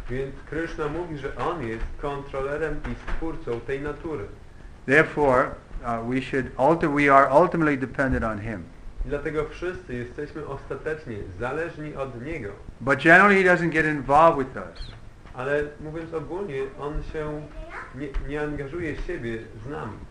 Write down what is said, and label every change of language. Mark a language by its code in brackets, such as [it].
[pl] Więc Krishna mówi, że on jest kontrolerem i stwórcą tej natury. [en] Therefore, we are ultimately dependent on him. [pl] Dlatego wszyscy jesteśmy ostatecznie zależni od Niego. [en] But generally he doesn't get involved with us. [pl] Ale mówiąc ogólnie, on się nie angażuje siebie z nami.